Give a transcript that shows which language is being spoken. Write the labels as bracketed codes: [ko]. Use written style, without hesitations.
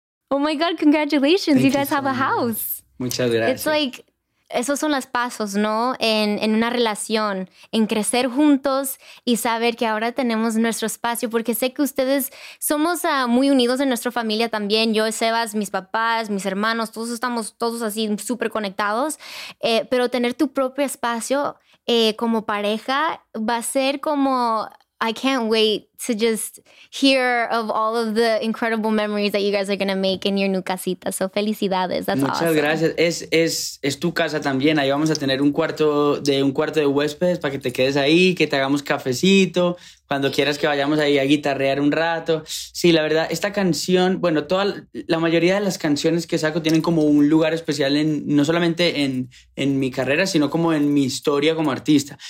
[en] Oh my God, congratulations. Thank you guys so have a house. [es] Muchas gracias. [en] It's like [es] esos son los pasos, ¿no? En una relación, en crecer juntos y saber que ahora tenemos nuestro espacio, porque sé que ustedes somos muy unidos en nuestra familia también. Yo, Sebas, mis papás, mis hermanos, todos estamos todos así súper conectados. Pero tener tu propio espacio como pareja va a ser como [en] I can't wait to just hear of all of the incredible memories that you guys are going to make in your new casita. So felicidades. That's [es] Muchas [en] awesome. [es] Muchas gracias. Es tu casa también. Ahí vamos a tener un cuarto de huéspedes para que te quedes ahí, que te hagamos cafecito, cuando quieras que vayamos ahí a guitarrear un rato. Sí, la verdad, esta canción, bueno, la mayoría de las canciones que saco tienen como un lugar especial no solamente en mi carrera, sino como en mi historia como artista.